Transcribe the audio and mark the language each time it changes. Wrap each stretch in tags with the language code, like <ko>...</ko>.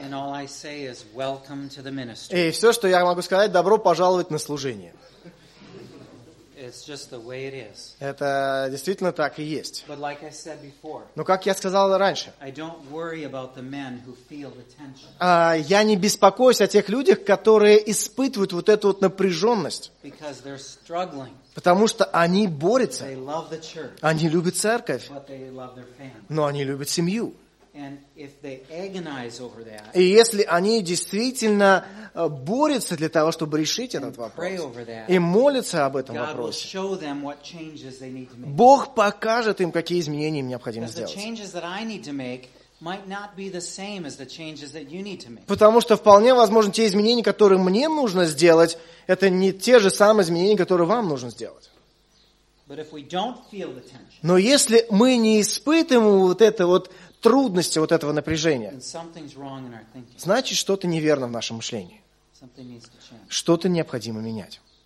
<en>And all I say is welcome to the ministry.</en> <ru>И все, что я могу сказать, добро пожаловать на служение.</ru> <en>It's just the way it is.</en> <ru>Это действительно так и есть.</ru> <en>But like I said before,</en> <ru>но как я сказал раньше,</ru> <en>I don't worry about the men who feel the tension.</en> <ru>Я не беспокоюсь о тех людях, которые испытывают вот эту вот напряженность.</ru> <en>Because they're struggling.</en> <ru>Потому что они борются.</ru> <en>They love the church,</en> <ru>они любят церковь,</ru> <en>but they love their family.</en> <ru>Но они любят семью.</ru> <en>And if they agonize over that,</en> <ru>и если они действительно борются для того, чтобы решить этот вопрос,</ru> <en>that,</en> <ru>и молятся об этом</ru> <en>God</en> <ru>вопросе,</ru> <en>will show them what changes they need to make.</en> <ru>Бог покажет им, какие изменения им необходимо сделать.</ru> <en>The changes that I need to make might not be the same as the changes that you need to make.</en> <ru>Потому что вполне возможно, те изменения, которые мне нужно сделать, это не те же самые изменения, которые вам нужно сделать.</ru> <en>But if we don't feel the tension,</en> <ru>но если мы не испытываем вот это вот трудности, вот этого напряжения, значит, что-то неверно в нашем мышлении. Что-то необходимо менять.</ru>